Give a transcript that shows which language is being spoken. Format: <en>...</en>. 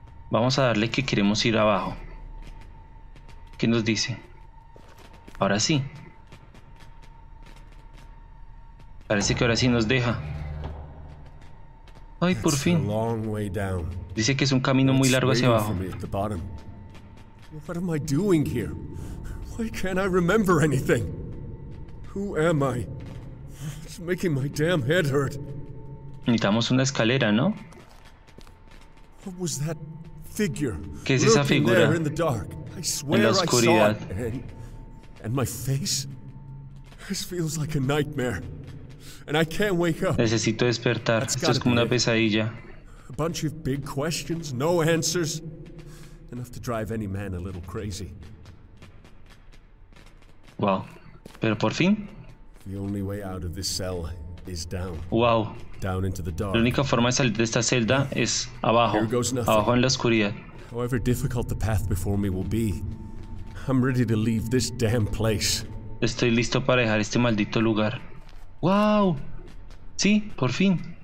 <es>Vamos a darle que queremos ir abajo. ¿Qué nos dice? Ahora sí. Parece que ahora sí nos deja. Ay, por fin. Dice que es un camino muy largo hacia abajo.</es> <en>What am I doing here? Why can't I remember anything? Who am I? It's making my damn head hurt.</en> <es>Necesitamos una escalera, ¿no?</es> <en>What was that</en> <es>¿Qué es esa figura? En la oscuridad.</es> <en>And my face? This feels like a nightmare. And I can't wake up.</en> <es>Necesito despertar. Esto es como una pesadilla.</es> <en>A bunch of big questions, no answers. Enough to drive any man a little crazy. Wow.</en> <es>Pero por fin.</es> <en>The only way out of this cell is down. Wow. Down into the dark.</en> <es>La única forma de salir de esta celda es abajo. Abajo en la oscuridad.</es> <en>However difficult the path before me will be, I'm ready to leave this damn place.</en> <es>Estoy listo para dejar este maldito lugar. Wow. Sí, por fin.</es>